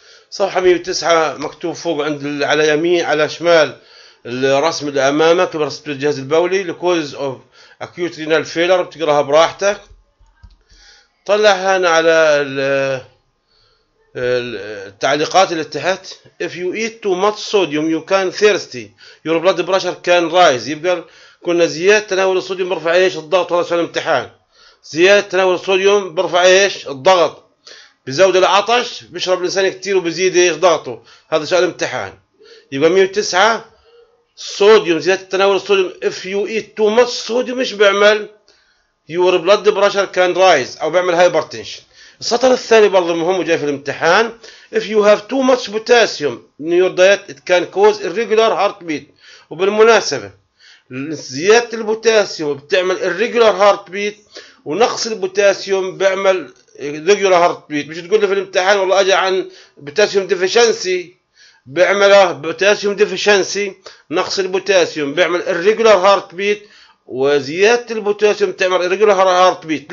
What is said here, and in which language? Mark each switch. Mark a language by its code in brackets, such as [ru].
[ar] صفحة 109 مكتوب فوق عند على يمين على شمال الرسم اللي أمامك، رسم الجهاز البولي [en] the cause of acute renal failure، [ar] بتقراها براحتك. طلع هنا على التعليقات اللي تحت. [en] if you eat too much sodium you can thirsty your blood pressure can rise، [ar] يبقى كنا زيادة تناول الصوديوم برفع ايش الضغط هذا في الامتحان. زيادة تناول الصوديوم برفع ايش الضغط، بزود العطش، بيشرب الانسان كثير وبزيد ايش ضغطه، هذا سؤال امتحان. يبقى 109 صوديوم، زيادة تناول الصوديوم [en] if you eat too much sodium [ar] ايش بيعمل؟ [en] your blood pressure can rise [ar] او بيعمل hypertension. السطر الثاني برضه مهم وجاي في الامتحان. [en] if you have too much potassium in your diet it can cause irregular heartbeat. [ar] وبالمناسبة زيادة البوتاسيوم بتعمل الريجولار هارت بيت، ونقص البوتاسيوم بيعمل ريجولار هارت بيت. مش تقول لي في الامتحان والله اجى عن بوتاسيوم ديفيشنسي، بيعمل بوتاسيوم ديفيشنسي، نقص البوتاسيوم بيعمل الريجولار هارت بيت، وزيادة البوتاسيوم بتعمل الريجولار هارت بيت.